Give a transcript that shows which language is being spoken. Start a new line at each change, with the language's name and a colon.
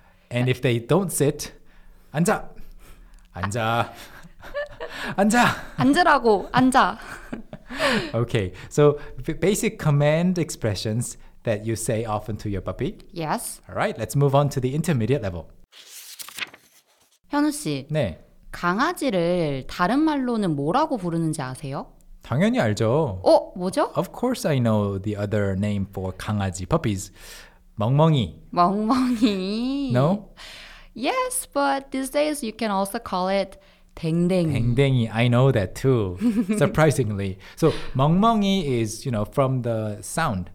English: And if they don't sit,
Korean: 앉아. 앉아. 앉아. 앉으라고, 앉아.
English: Okay, so basic command expressions that you say often to your puppy? Yes. All right, let's move on to the intermediate level.
Korean: 현우 씨. 네. 강아지를 다른 말로는 뭐라고 부르는지 아세요? 당연히 알죠. 어? 뭐죠?
English: Of course I know the other name for 강아지, puppies.
Korean: 멍멍이. 멍멍이.
English: No? Yes, but these days you can also call it 댕댕이. 댕댕이. I know that too, surprisingly. So 멍멍이 is, you know, from the sound.